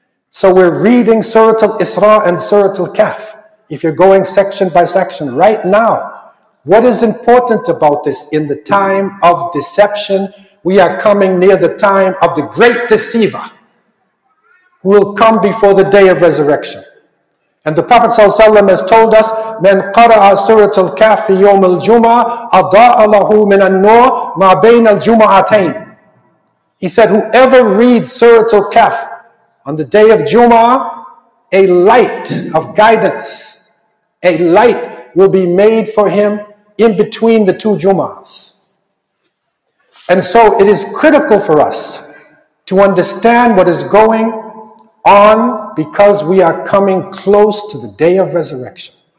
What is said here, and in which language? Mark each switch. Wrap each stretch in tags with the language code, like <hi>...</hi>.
<en>So we're reading Surah Al-Isra and Surah Al-Kahf. If you're going section by section right now, what is important about this? In the time of deception, we are coming near the time of the great deceiver who will come before the day of resurrection. And the Prophet ﷺ has told us,</en> <ar>من قرأ سورة الكهف في يوم الجمعة أضاء له من النور ما بين الجمعتين.</ar> <en>He said, whoever reads Surah Al-Kahf on the day of Jumu'ah, a light of guidance, a light will be made for him in between the two Jumu'ahs. And so it is critical for us to understand what is going on, because we are coming close to the day of resurrection.</en>